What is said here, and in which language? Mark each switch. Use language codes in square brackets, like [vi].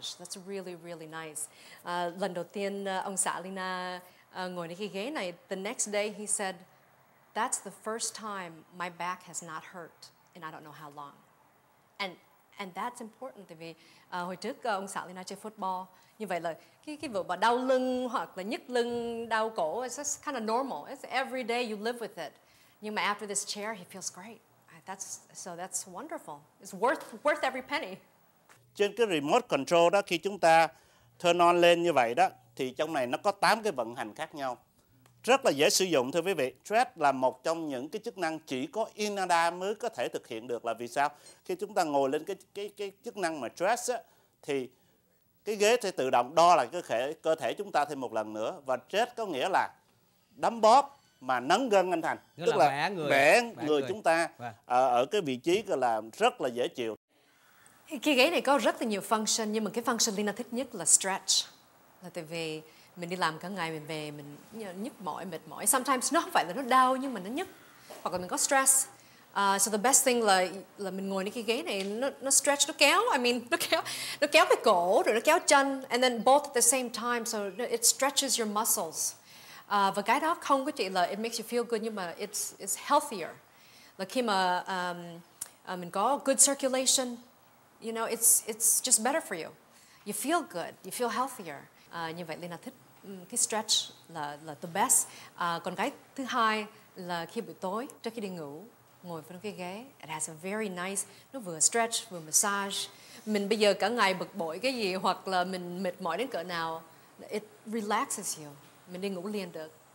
[en] That's really, really nice. [vi] Lần đầu tiên ông xã Lina ngồi lên cái ghế này, [en] the next day he said, "That's the first time my back has not hurt in I don't know how long." And that's important. [vi] Tại vì hồi trước ông xã Lina chơi football, như vậy là cái vụ mà đau lưng hoặc là nhức lưng, đau cổ, [en] it's just kind of normal. It's every day you live with it. [vi] Nhưng mà [en] after this chair, he feels great. That's wonderful. It's worth every penny. [vi] Trên cái remote control đó, khi chúng ta turn on lên như vậy đó, thì trong này nó có 8 cái vận hành khác nhau. Rất là dễ sử dụng thưa quý vị. Stress là một trong những cái chức năng chỉ có Inada mới có thể thực hiện được. Là vì sao? Khi chúng ta ngồi lên cái chức năng mà stress á, thì cái ghế sẽ tự động đo lại cơ thể chúng ta thêm một lần nữa. Và stress có nghĩa là đấm bóp mà nấn gân anh Thành. Nghĩa tức là bẻ người chúng ta ở cái vị trí gọi là rất là dễ chịu. Cái ghế này có rất là nhiều function, nhưng mà cái function Lina thích nhất là stretch. Là tại vì mình đi làm cả ngày, mình về mình nhức mỏi, mệt mỏi. Sometimes nó không phải là nó đau, nhưng mà nó nhức. Hoặc là mình có stress. [en] So the best thing [vi] là mình ngồi lên cái ghế này nó stretch, nó kéo cái cổ rồi nó kéo chân, [en] and then both at the same time, so it stretches your muscles. [vi] Và cái đó không có chỉ là [en] it makes you feel good, [vi] nhưng mà [en] it's healthier. [vi] Là khi mà mình có [en] good circulation, you know, it's just better for you. You feel good, you feel healthier. [vi] Như vậy Lina thích cái stretch là the best. Còn cái thứ hai là khi buổi tối trước khi đi ngủ, ngồi vào cái ghế, [en] it has a very nice, [vi] nó vừa stretch vừa massage. Mình bây giờ cả ngày bực bội cái gì hoặc là mình mệt mỏi đến cỡ nào, [en] it relaxes you. [vi] Mình đi ngủ liền được.